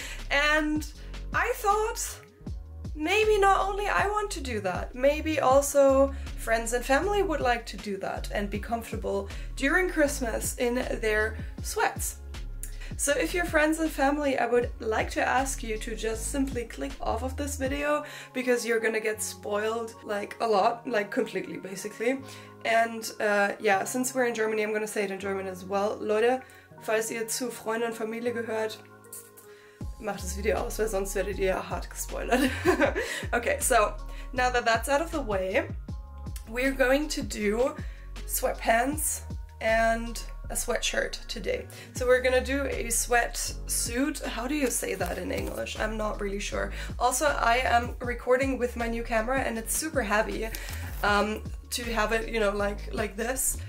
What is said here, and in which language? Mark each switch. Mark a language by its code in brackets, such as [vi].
[en] And I thought, maybe not only I want to do that, maybe also friends and family would like to do that and be comfortable during Christmas in their sweats. So if you're friends and family, I would like to ask you to just simply click off of this video, because you're gonna get spoiled like a lot, like completely basically. And yeah, since we're in Germany, I'm gonna say it in German as well. [de] Leute, falls ihr zu Freunden und Familie gehört, macht das Video aus, weil sonst werdet ihr hart gespoilert. [en] Okay, so now that that's out of the way, we're going to do sweatpants and a sweatshirt today. So we're gonna do a sweatsuit. How do you say that in English? I'm not really sure. Also, I am recording with my new camera and it's super heavy to have it, you know, like this.